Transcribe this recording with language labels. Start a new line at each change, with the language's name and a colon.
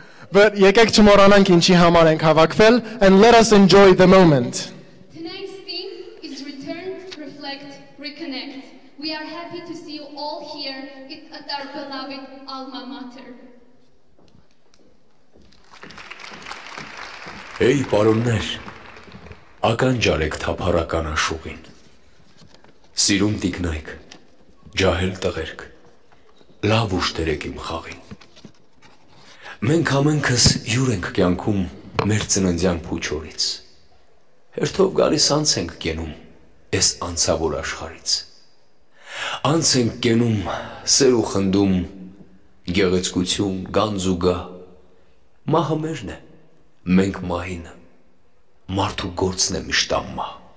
English: But
Armenian: եկեք չմոռանանք ինչի համար ենք հավաքվել,
English: and let us enjoy the moment. Tonight's theme is return, reflect, reconnect. We are happy to see you all here at our beloved alma mater.
Armenian: Hey, պարոններ, ականջ արեք թափառական աշուղին. Սիրուն տիկնայք, ջահել տղերք, լավ ուշ դերեք իմ խաղին. Մենք ամենքս հյուր ենք կյանքում մեր ծննդյան փուչորից։ Հերթով գալիս անց ենք կենում այս անցավոր աշխարից։ Անց ենք կենում սեր ու խնդում, գեղեցկություն, գանձ ու գա։ Մահը մերն է, մենք մահինը, մարդու գործն է միշտ ամմա։